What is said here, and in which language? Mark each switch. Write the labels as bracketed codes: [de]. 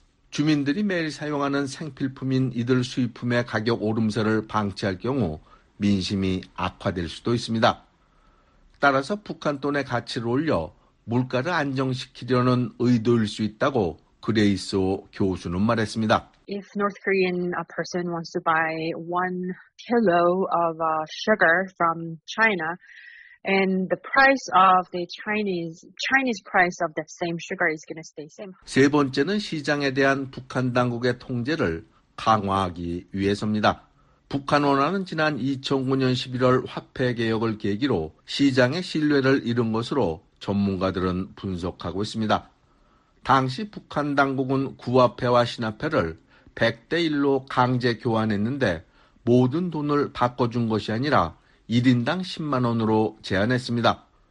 [ko] 주민들이 매일 사용하는 생필품인 이들 수입품의 가격 오름세를 방치할 경우 민심이 악화될 수도 있습니다. 따라서 북한 돈의 가치를 올려 물가를 안정시키려는 의도일 수 있다고 그레이스 오 교수는 말했습니다. [en] If North Korean person wants to buy 1 kilo of sugar from China, and the price of the Chinese price of that same sugar is going to stay same. [ko] 세 번째는 시장에 대한 북한 당국의 통제를 강화하기 위해서입니다. 북한 원화는 지난 2009년 11월 화폐 개혁을 계기로 시장의 신뢰를 잃은 것으로 전문가들은 분석하고 있습니다. 당시 북한 당국은 구화폐와 신화폐를 100대 1로 강제 교환했는데 모든 돈을 바꿔준 것이 아니라 1인당 10만 원으로 제한했습니다.